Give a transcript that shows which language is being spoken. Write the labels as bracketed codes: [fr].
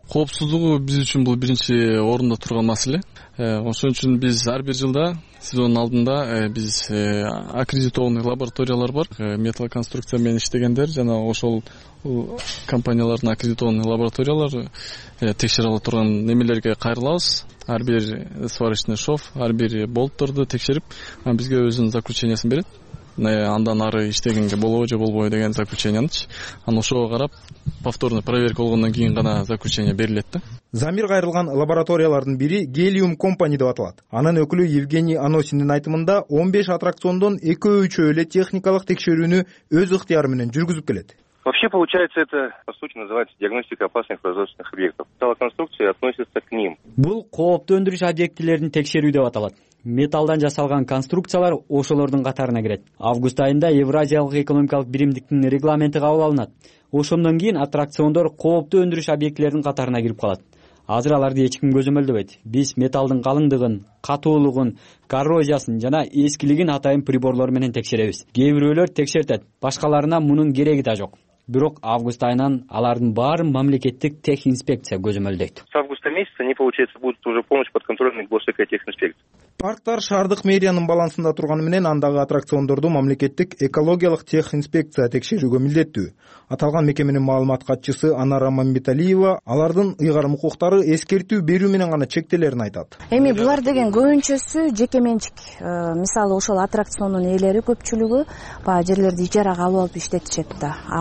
[ky] Коопсуздугу биз үчүн бул биринчи орунда турган маселе. Ошон үчүн биз ар бир жылда сезондун алдында биз аккредитованный лабораториялар бар, металл конструкция менен иштегендер жана ошол компаниялардын аккредитованный лабораториялары текшере ала турган немелерге кайрылабыз. Ар бир сварочный шов, ар бир болтторду текшерип, анан бизге өзүнүн заключениясын берет. Андан ары иштегенге болобу же болбойбу деген заключениянычы. Анан ошого карап повторный проверка болгондон кийин гана заключение берилет да. Замир кайрылган лабораториялардын бири Гелиум компания деп аталат. Анын өкүлү Евгений Аносиндин айтымында 15 аттракциондон 2-3 эле техникалык текшерүүнү өз ыктыяры менен жүргүзүп келет. [ru] Вообще получается это по сути называется диагностика опасных производственных объектов. Металлоконструкции относятся к ним. [ky] Бул кооптуу өндүрүш объектилерин текшерүү деп аталат. Металдан жасалган конструкциялар ошолордун катарына кирет. Август айында Евразиялык экономикалык биримдиктин регламенти кабыл алынат. Ошондон кийин аттракциондор кооптуу өндүрүш объектилердин катарына кирип калат. Азыр аларды эч ким көзөмөлдөбөйт. Биз металдын калыңдыгын, катуулугун, коррозиясын жана эскилигин атайын приборлор менен текшеребиз. Кээ бирөөлөр текшертет, башкаларына мунун кереги да жок. Бирок август айынан алардын баарын мамлекеттик техинспекция көзөмөлдөйт. [ru] С августа месяца не получается будут уже полностью подконтрольны госэкотехинспекция. [ky] Парктар шаардык мэриянын балансында турганы менен андагы аттракциондорду мамлекеттик экологиялык техинспекция текшерүүгө милдеттүү. Аталган мекеменин маалымат катчысы Анара Мамбиталиева алардын ыйгарым укуктары эскертүү берүү менен гана чектелерин айтат. Эми булар деген көбүнчөсү жеке менчик. Мисалы ошол аттракциондун ээлери көпчүлүгү баягы жерлерди ижарага алып алып иштетишет да.